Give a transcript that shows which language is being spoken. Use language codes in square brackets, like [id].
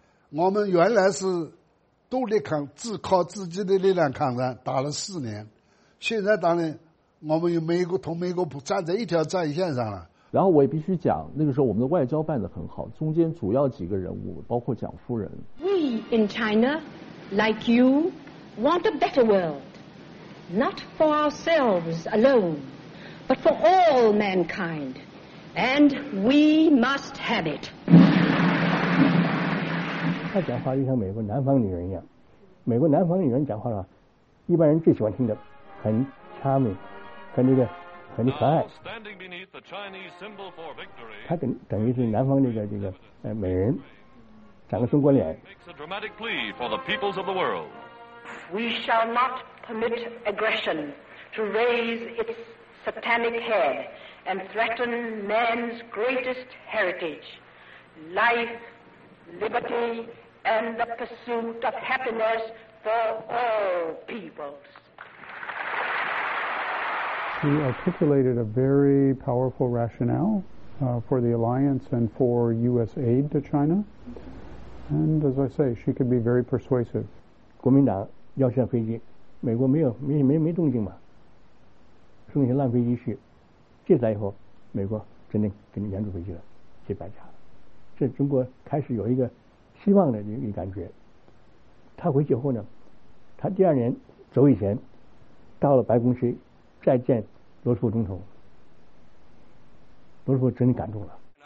[zh] 我们原来是独立抗，自靠自己的力量抗战，打了4年。现在当然，我们与美国同美国不站在一条战线上了。然后我也必须讲，那个时候我们的外交办得很好，中间主要几个人物，包括蒋夫人。 [en] We in China, like you, want a better world, not for ourselves alone. But for all mankind, and we must have it. [zh] 她讲话就像美国南方女人一样，美国南方女人讲话了，一般人最喜欢听的，很 charming， 很那个，很可爱。她等于是南方那个美人，长个中国脸。 [en] We shall not permit aggression to raise its. Satanic head and threaten man's greatest heritage, life, liberty, and the pursuit of happiness for all peoples. He articulated a very powerful rationale for the alliance and for U.S. aid to China. And as I say, she could be very persuasive. [zh] 国民党要下飞机，美国没动静嘛。剩下烂飞机是，这台以后，美国真的给你援助回去了，去白家了。这中国开始有一个希望的一个感觉。他回去后呢，他第二年走以前到了白宫去再见罗斯福总统，罗斯福真的感动了。